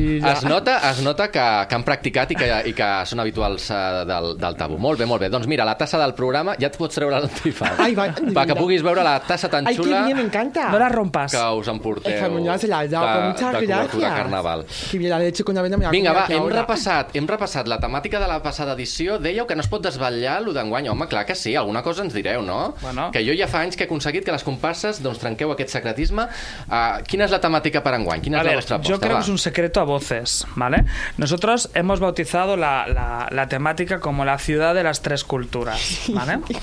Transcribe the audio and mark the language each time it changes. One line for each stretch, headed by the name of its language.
Catalan: Es nota que han practicat i que són habituals del tabú. Molt bé, molt bé. Doncs mira, la tassa del programa, ja et pots treure l'antifaz. Ai, va. Va, que puguis veure la tassa tan xula.
Spanish: Ai, que bien,
Catalan: m'encanta.
Spanish: No la rompes.
Catalan: Que us emporteu. Fermonyola, se de carnaval.
Spanish: Que bien, la leche con avena me la
Catalan: vinga, va, hem repassat la temàtica de la passada edició. Dèieu que no es pot desvetllar allò d'enguany. Home, clar que sí, alguna cosa ens direu, no? Bueno. Que jo ja fa anys que he aconseguit que les comparses doncs trenqueu aquest secretisme. Quina és la temàtica per enguany? Quina és la vostra aposta? Jo crec que és un
Spanish: secreto a voces,
Catalan: ¿vale?
Spanish: Nosotros hemos bautizado la temática como la ciudad de las tres culturas, ¿vale?